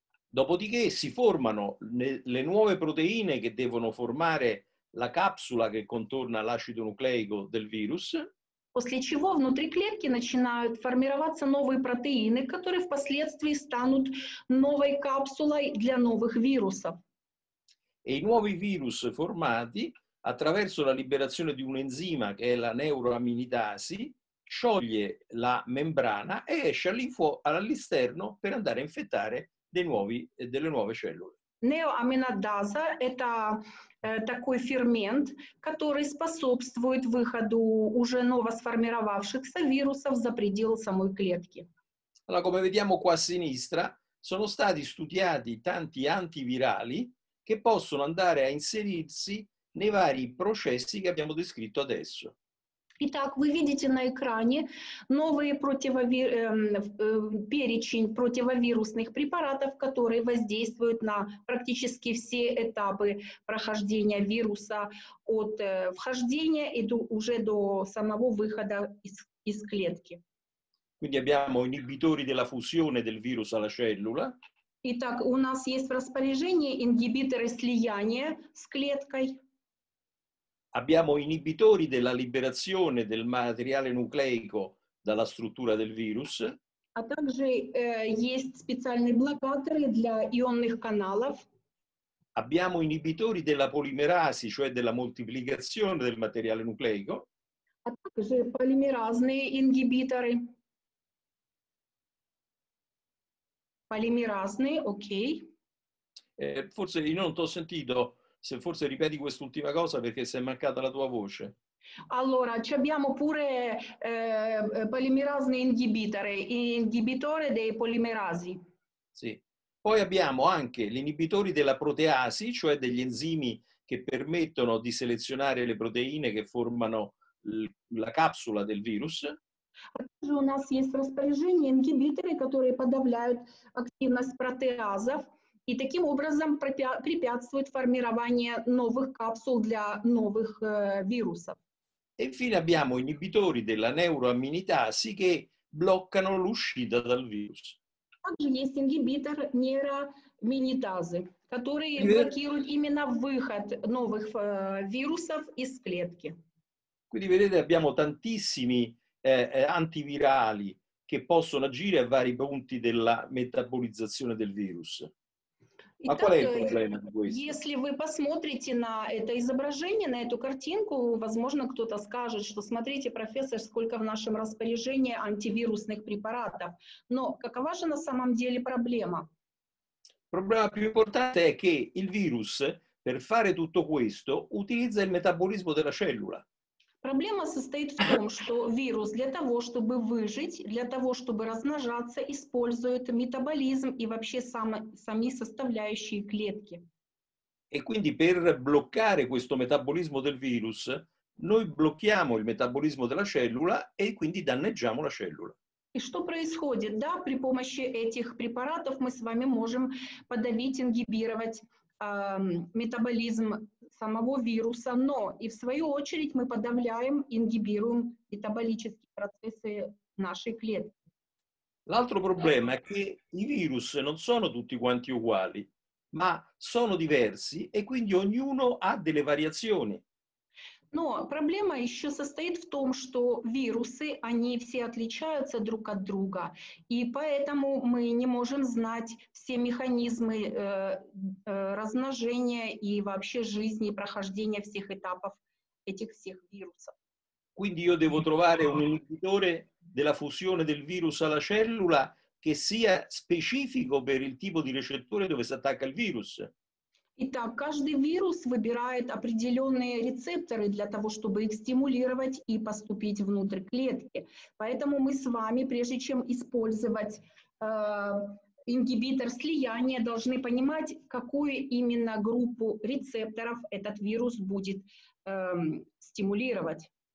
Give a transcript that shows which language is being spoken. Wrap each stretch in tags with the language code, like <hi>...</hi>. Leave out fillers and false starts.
<it>Dopodiché si formano le nuove proteine che devono formare la capsula che contorna l'acido nucleico del virus.</it> <ru>После чего внутри клетки начинают формироваться новые протеины, которые впоследствии станут новой капсулой для новых вирусов.</ru> <it>E i nuovi virus formati attraverso la liberazione di un enzima che è la neuraminidasi scioglie la membrana e esce all'esterno per andare a infettare delle nuove cellule.</it> <ru>Неоаминидаза – это такой фермент, который способствует выходу уже новосформировавшихся вирусов за пределы самой клетки.</ru> <it>Allora, come vediamo qua a sinistra, sono stati studiati tanti antivirali che possono andare a inserirsi nei vari processi che abbiamo descritto adesso.</it> <ru>Итак, вы видите на экране новый перечень противовирусных препаратов, которые воздействуют на практически все этапы прохождения вируса от вхождения и уже до самого выхода из клетки.</ru> <it>Quindi abbiamo inibitori della fusione del virus alla cellula.</it> <ru>Итак, у нас есть в распоряжении ингибиторы слияния с клеткой.</ru> <it>Abbiamo inibitori della liberazione del materiale nucleico dalla struttura del virus.</it> <ru>А также есть специальные блокаторы для ионных каналов.</ru> <it>Abbiamo inibitori della polimerasi, cioè della moltiплікаzione del materiale nucleico.</it> <ru>А также полимеразные ингибиторы. Полимеразные, окей.</ru> <it>Forse io non t'ho sentito. Se forse ripeti quest'ultima cosa perché si è mancata la tua voce. Allora, ci abbiamo pure polimerasi inhibitore, inhibitore dei polimerasi. Sì. Poi abbiamo anche gli inibitori della proteasi, cioè degli enzimi che permettono di selezionare le proteine che formano la capsula del virus.</it> <ru>Также у нас есть в распоряжении ингибиторы, которые подавляют активность протеазов. И таким образом препятствует формирование новых капсул для новых вирусов.</ru> <it>E infine abbiamo inibitori della neuraminidasi che bloccano l'uscita dal virus.</it> <ru>Также есть ингибитор нейроаминидазы, который блокирует именно выход новых вирусов из клетки.</ru> <it>Quindi vedete abbiamo tantissimi antivirali che possono agire a vari punti della metabolizzazione del virus.</it> <ru>Итак, а какой проблема такой? Если вы посмотрите на это изображение, на эту картинку, возможно, кто-то скажет, что смотрите, профессор, сколько в нашем распоряжении антивирусных препаратов. Но какова же на самом деле проблема? Проблема</ru> <it>più importante è che il virus per fare tutto questo utilizza il metabolismo della cellula.</it> <ru>Проблема состоит в том, что вирус для того, чтобы выжить, для того, чтобы размножаться, использует метаболизм и вообще сами составляющие клетки.</ru> <it>E quindi per bloccare questo metabolismo del virus, noi blocchiamo il metabolismo della cellula e quindi danneggiamo la cellula.</it> <ru>И что происходит? Да, при помощи этих препаратов мы с вами можем подавить, ингибировать метаболизм самого вируса, но и в свою очередь мы подавляем, ингибируем метаболические процессы нашей клетки.</ru> <it>L'altro problema è che i virus non sono tutti quanti uguali, ma sono diversi e quindi ognuno ha delle variazioni.</it> <ru>Но проблема еще состоит в том, что вирусы, они все отличаются друг от друга, и поэтому мы не можем знать все механизмы размножения и вообще жизни, прохождения всех этапов этих всех вирусов.</ru> <it>Quindi io devo trovare un inibitore della fusione del virus alla cellula che sia specifico per il tipo di recettore dove si attacca il virus.</it> <ru>Итак, каждый вирус выбирает определенные рецепторы для того, чтобы их стимулировать и поступить внутрь клетки. Поэтому мы с вами, прежде чем использовать ингибитор слияния, должны понимать, какую именно группу рецепторов этот вирус будет стимулировать.</ru>